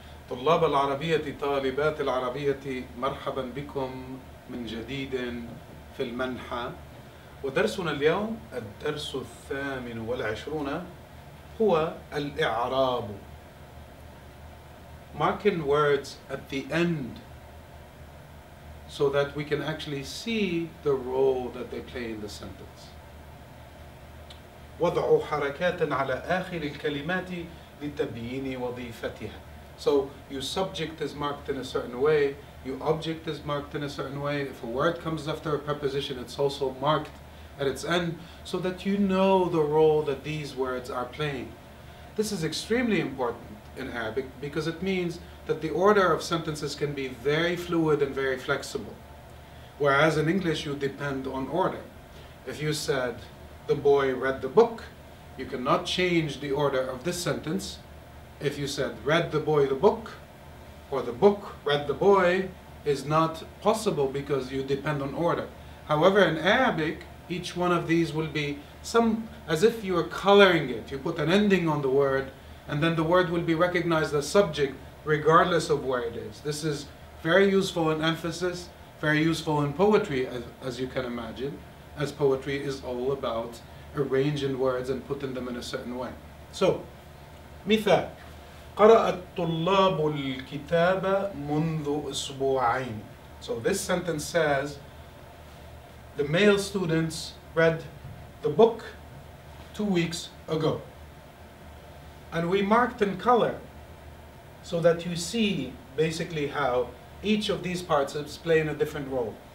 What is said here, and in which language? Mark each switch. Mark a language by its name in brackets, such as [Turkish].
[Arabic] طلاب العربية طالبات العربية مرحبا بكم من جديد في المنحى، ودرسنا اليوم الدرس 28 هو الإعراب. [English] Marking words at the end so that we can actually see the role that they play in the sentence. [Arabic] وضع حركات على آخر الكلمات لتبيين وظيفتها. [English] So your subject is marked in a certain way, your object is marked in a certain way. If a word comes after a preposition, it's also marked at its end so that you know the role that these words are playing. This is extremely important in Arabic because it means that the order of sentences can be very fluid and very flexible. Whereas in English, you depend on order. If you said, the boy read the book, you cannot change the order of this sentence. If you said, read the boy the book, or the book read the boy, is not possible because you depend on order. However, in Arabic, each one of these will be some, as if you are coloring it. You put an ending on the word, and then the word will be recognized as subject, regardless of where it is. This is very useful in emphasis, very useful in poetry, as you can imagine, as poetry is all about arranging words and putting them in a certain way. [Arabic] So, مثال قرأ الطلاب الكتاب منذ أسبوعين. [English] So this sentence says the male students read the book 2 weeks ago. And we marked in color so that you see basically how each of these parts is playing a different role.